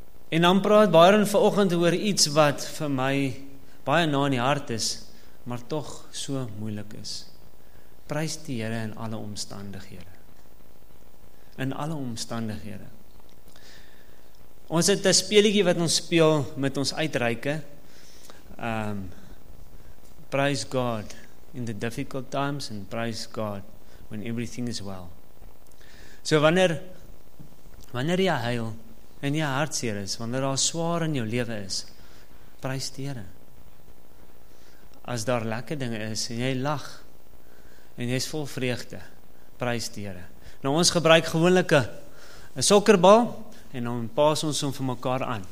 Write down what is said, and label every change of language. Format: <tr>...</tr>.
<af>En dan praat Byron vanoggend oor iets wat vir my baie na in die hart is, maar toch so moeilik is. Prys die Here in alle omstandighede. In alle omstandighede. Ons het 'n speelietjie wat ons speel met ons uitreike.</af> <en>Praise God in the difficult times and praise God when everything is well.</en> <af>So wanneer jy huil en jy hartseer is, wanneer daar swaar in jou lewe is, prys die Here. As daar lekker dinge is en jy lag en jy is vol vreugde, prys die Here. Nou ons gebruik gewoonlik 'n sokkerbal en dan pas ons hom vir mekaar aan.</af>